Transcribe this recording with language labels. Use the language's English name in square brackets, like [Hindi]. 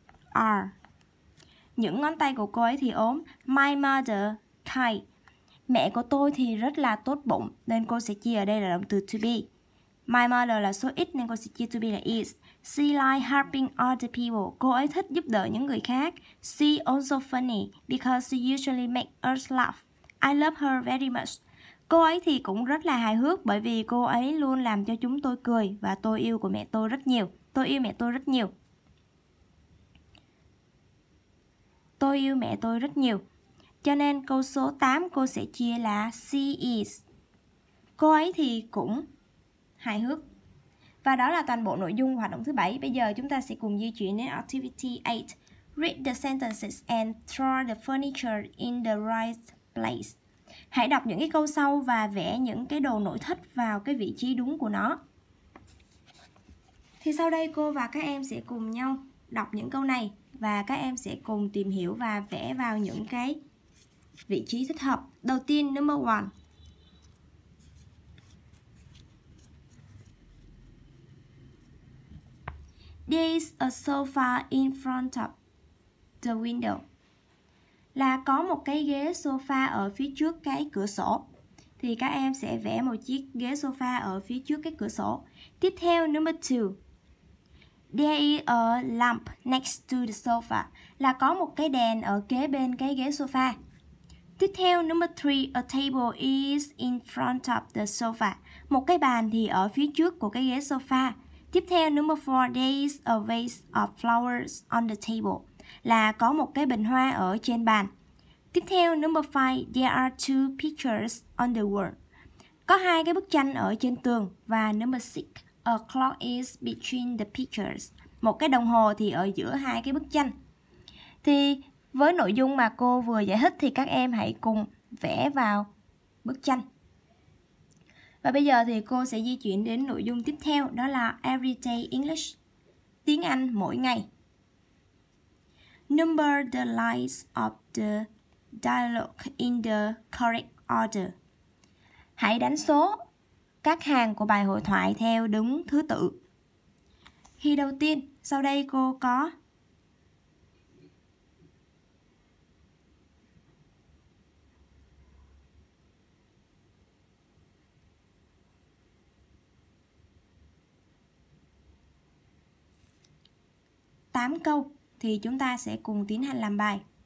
[Vietnamese] Are. Những ngón tay của cô ấy thì ốm. [English] My mother kind. [Vietnamese] Mẹ của tôi thì rất là tốt bụng, nên cô sẽ chia ở đây là động từ to be. [English] My mother [Vietnamese] là số ít nên cô sẽ chia [English] to be [Vietnamese] là [English] is. She likes helping other people. [Vietnamese] Cô ấy thích giúp đỡ những người khác. [English] She also funny because she usually makes us laugh. I love her very much. [Vietnamese] Cô ấy thì cũng rất là hài hước bởi vì cô ấy luôn làm cho chúng tôi cười và tôi yêu của mẹ tôi rất nhiều. Tôi yêu mẹ tôi rất nhiều. Tôi yêu mẹ tôi rất nhiều. Cho nên câu số 8 cô sẽ chia là [English] she is. [Vietnamese] Cô ấy thì cũng hài hước. Và đó là toàn bộ nội dung hoạt động thứ 7. Bây giờ chúng ta sẽ cùng di chuyển đến activity 8. [English] Read the sentences and throw the furniture in the right place. [Vietnamese] Hãy đọc những cái câu sau và vẽ những cái đồ nội thất vào cái vị trí đúng của nó. Thì sau đây cô và các em sẽ cùng nhau đọc những câu này và các em sẽ cùng tìm hiểu và vẽ vào những cái vị trí thích hợp. Đầu tiên, number 1. [English] There is a sofa in front of the window. [Vietnamese] Là có một cái ghế sofa ở phía trước cái cửa sổ. Thì các em sẽ vẽ một chiếc ghế sofa ở phía trước cái cửa sổ. Tiếp theo, number 2. [English] There is a lamp next to the sofa. [Vietnamese] Là có một cái đèn ở kế bên cái ghế sofa. Tiếp theo, [English] number 3, a table is in front of the sofa. [Vietnamese] Một cái bàn thì ở phía trước của cái ghế sofa. Tiếp theo, [English] number 4, there is a vase of flowers on the table. [Vietnamese] Là có một cái bình hoa ở trên bàn. Tiếp theo, [English] number 5, there are two pictures on the wall. [Vietnamese] Có hai cái bức tranh ở trên tường. Và [English] number 6, a clock is between the pictures. [Vietnamese] Một cái đồng hồ thì ở giữa hai cái bức tranh. Thì với nội dung mà cô vừa giải thích thì các em hãy cùng vẽ vào bức tranh. Và bây giờ thì cô sẽ di chuyển đến nội dung tiếp theo, đó là [English] Everyday English. [Vietnamese] Tiếng Anh mỗi ngày. [English] Number the lines of the dialogue in the correct order. [Vietnamese] Hãy đánh số các hàng của bài hội thoại theo đúng thứ tự. Khi đầu tiên, sau đây cô có tám câu thì chúng ta sẽ cùng tiến hành làm bài.